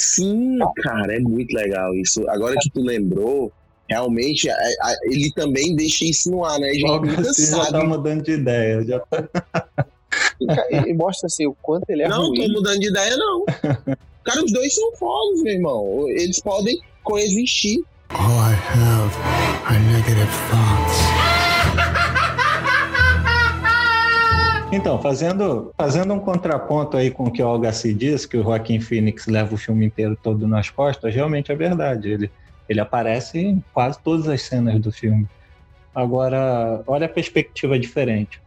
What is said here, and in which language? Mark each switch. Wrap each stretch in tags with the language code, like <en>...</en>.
<pt>Sim, cara, é muito legal isso. Agora que tu lembrou, realmente, ele também deixa isso no ar, né? Você já tá mudando de ideia. Já tá... E mostra assim o quanto ele é não, ruim. Não, tô mudando de ideia, não. Cara, os dois são fogos, meu irmão. Eles podem coexistir.</pt> <en>All I have are negative thoughts.</en> <pt>Então, fazendo um contraponto aí com o que o Agassi diz, que o Joaquin Phoenix leva o filme inteiro todo nas costas, realmente é verdade. Ele aparece em quase todas as cenas do filme. Agora, olha a perspectiva diferente.</pt>